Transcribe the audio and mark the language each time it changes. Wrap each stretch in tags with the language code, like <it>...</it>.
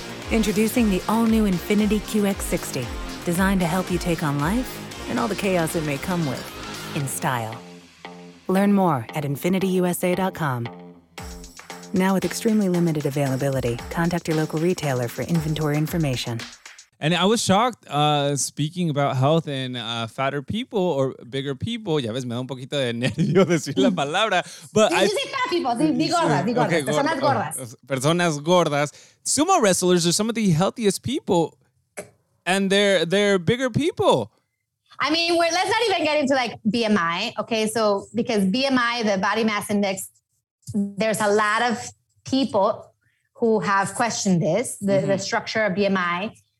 <en>Introducing the all-new Infiniti QX60, designed to help you take on life and all the chaos it may come with in style. Learn more at InfinityUSA.com. Now with extremely limited availability, contact your local retailer for inventory information. And I was shocked, speaking about health and fatter people or bigger people.</en> <es>Ya ves, me da un poquito de nervio decir la palabra.</es> <en>But</en> <es>sí, sí, sí,</es> <en>fat people.</en> <es>Sí, di gordas, okay, personas gordas. Personas gordas.</es> <en>Sumo wrestlers are some of the healthiest people. And they're bigger people. I mean, let's not even get into like BMI, okay? So because BMI, the body mass index, there's a lot of people who have questioned this, the structure of BMI.</en>